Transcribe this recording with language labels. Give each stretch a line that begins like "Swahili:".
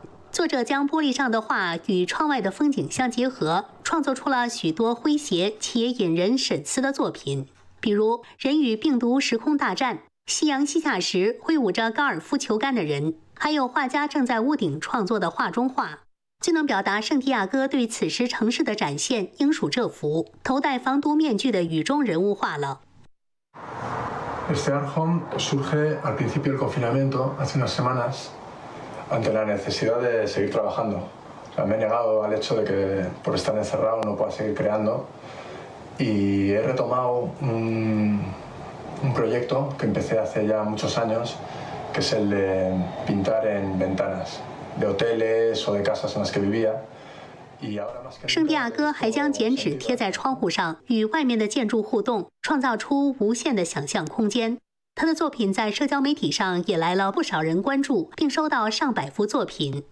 Chinese: 作者将玻璃上的画与窗外的风景相结合，创作出了许多诙谐且引人深思的作品，比如人与病毒时空大战、夕阳西下时挥舞着高尔夫球杆的人，还有画家正在屋顶创作的画中画，最能表达圣地亚哥对此时城市的展现应属这幅头戴防毒面具的雨中人物画了。
Spanish: Este arjón surge al principio del confinamiento, hace unas semanas, ante la necesidad de seguir trabajando. Me he negado al hecho de que por estar encerrado no pueda seguir creando. Y he retomado un proyecto que empecé hace ya muchos años, que es el de pintar en ventanas de hoteles o de casas en las que vivía.
Chinese: 圣地亚哥还将剪纸贴在窗户上，与外面的建筑互动，创造出无限的想象空间。他的作品在社交媒体上也来了不少人关注，并收到上百幅作品。